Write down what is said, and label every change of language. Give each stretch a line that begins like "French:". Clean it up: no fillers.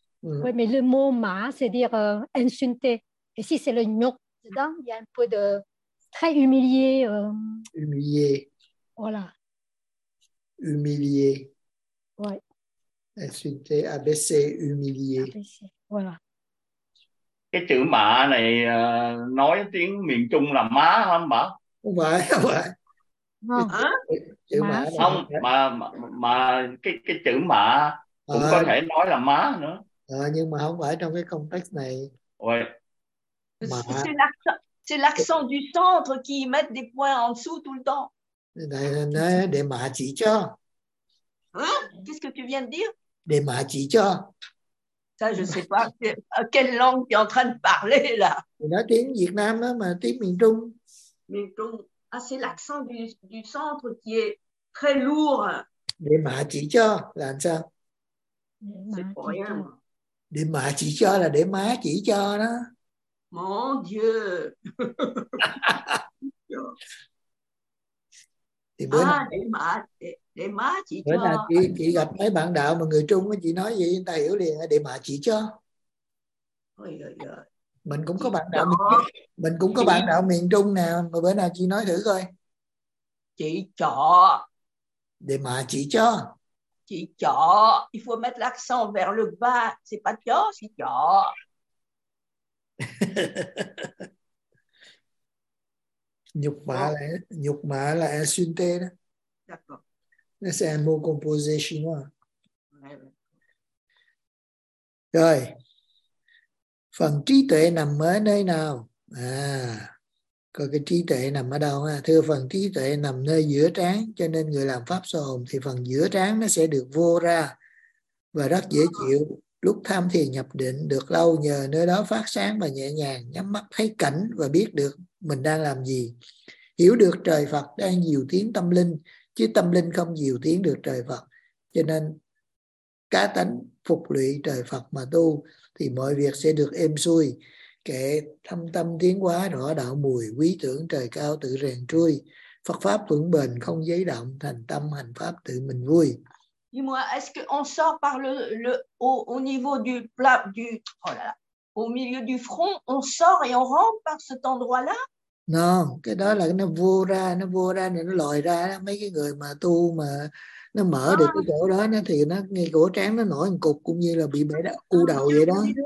French: Mm. Oui, mais le mot mã, c'est dire insulté. Et si c'est le nhục dedans, il y a un peu de... Très humilié. Humilié. Voilà. Humilié. Ouais. Insulté, abaissé, humilié. Voilà.
Vietnamese: Cái chữ mạ này nói tiếng miền Trung là má không bà? Không phải, không phải. Chữ mạ không, mà cái chữ mạ cũng có thể nói là má nữa. Nhưng mà không phải trong cái context này.
French: Ouais. C'est l'accent du centre qui met des points en dessous tout le temps.
Vietnamese: Để mà chỉ cho.
French: Qu'est-ce que tu viens de dire?
Vietnamese: Để mà chỉ cho.
French: Ça, je sais pas. Quelle langue tu es en train de parler là?
Vietnamese: Nói tiếng Việt Nam đó, mà tiếng miền Trung. Miền Trung.
French: Ah, c'est l'accent du centre qui est très lourd.
Vietnamese: Để mà chỉ cho là sao?
French: C'est pour rien.
Vietnamese: Để mà chỉ cho là để má chỉ cho đó.
French: Mon Dieu.
Vietnamese: Thì bữa nay chị gặp mấy bạn đạo mà người Trung chị nói vậy người ta hiểu liền là để mà chị cho. Mình cũng có bạn đạo mình cũng có bạn đạo miền Trung nè, mà bữa nào chị nói thử coi. Chị cho. Để mà chị cho. Chị cho.
French: Il faut mettre l'accent vers le bas, c'est pas cho, c'est cho.
Vietnamese: Nhục mạ là nhục mạ là insulté đó. Nó sẽ mô composé chinois. Rồi. Phần trí tuệ nằm ở nơi nào? À. Coi cái trí tuệ nằm ở đâu ha? Thưa phần trí tuệ nằm nơi giữa trán, cho nên người làm pháp soi hồn thì phần giữa trán nó sẽ được vô ra và rất dễ chịu. Lúc tham thiền nhập định được lâu nhờ nơi đó phát sáng và nhẹ nhàng, nhắm mắt thấy cảnh và biết được mình đang làm gì, hiểu được trời Phật đang diệu tiến tâm linh, chứ tâm linh không diệu tiến được trời Phật. Cho nên cá tánh phục lụy trời Phật mà tu thì mọi việc sẽ được êm xuôi. Kệ thâm tâm tiến hóa rõ đạo mùi, quý tưởng trời cao tự rèn trui, Phật pháp vững bền không giấy động, thành tâm hành pháp tự mình vui.
French: Dis-moi, est-ce qu'on sort par le au niveau du plat du oh là là, au milieu du front, on sort et on rentre par cet endroit-là?
Vietnamese: Non, cái đó là nó vô ra nên nó lòi ra đó. Mấy cái người mà tu mà nó mở được cái chỗ đó nó thì nó ngay cổ trán nó nổi một cục cũng như là bị bể u đầu vậy đó.